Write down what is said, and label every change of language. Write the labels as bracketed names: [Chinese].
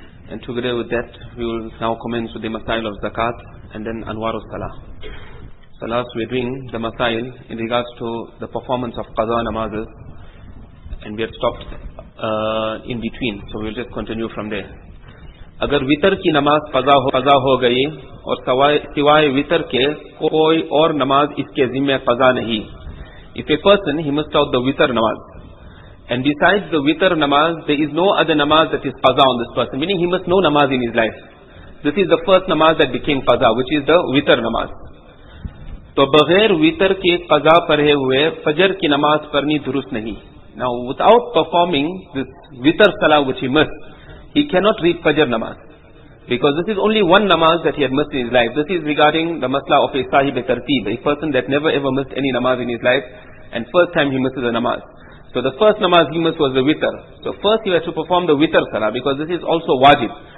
[English] And together with that we will now commence with the Masail of Zakat and then Anwar of Salah. So last we are doing the Masail in regards to the performance of Qadha Namazes. And we have stopped in between, so we will just continue from there. [Urdu] اگر وتر کی نماز قضا ہو گئی اور سوائے وتر کے کوئی اور نماز اس کے ذمہ قضا نہیں. [English] If a person, he must have the witr namaz. And besides the witr namaz, there is no other namaz that is qaza on this person. Meaning he must know namaz in his life. This is the first namaz that became qaza, which is the witr namaz. [Urdu] تو بغیر وتر کے قضا پڑھے ہوئے فجر کی نماز پڑھنی درست نہیں. [English] Now without performing this witr salah which he must, he cannot read Fajr Namaz. Because this is only one Namaz that he had missed in his life. This is regarding the masla of a sahib tarteeb, a person that never ever missed any Namaz in his life, and first time he misses a Namaz. So the first Namaz he missed was the Witr. So first he has to perform the Witr Salah, because this is also wajib.